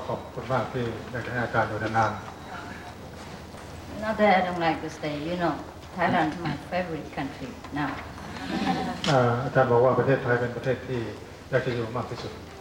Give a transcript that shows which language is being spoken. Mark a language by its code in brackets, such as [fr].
[th] ขอบคุณมากที่ได้ให้อาจารย์ดูนาน [en] Not that I don't like to stay. You know, Thailand is my favorite country now. [th] อาจารย์บอกว่าประเทศไทยเป็นประเทศที่อยากจะอยู่มากที่สุด